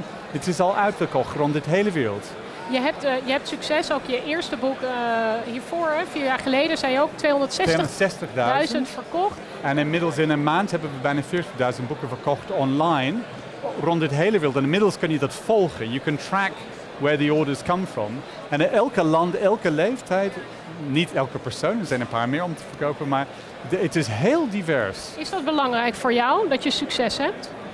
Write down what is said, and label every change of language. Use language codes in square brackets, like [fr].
[nl] Het is al uitverkocht rond het hele wereld. Je hebt succes, ook je eerste boek hiervoor, 4 jaar geleden, zei je ook 260.000 verkocht. En inmiddels in een maand hebben we bijna 40.000 boeken verkocht online rond het hele wereld. En inmiddels kun je dat volgen. [en] You can track where the orders come from. [nl] En in elke land, elke leeftijd, niet elke persoon, er zijn een paar meer om te verkopen, maar het is heel divers. Is dat belangrijk voor jou, dat je succes hebt?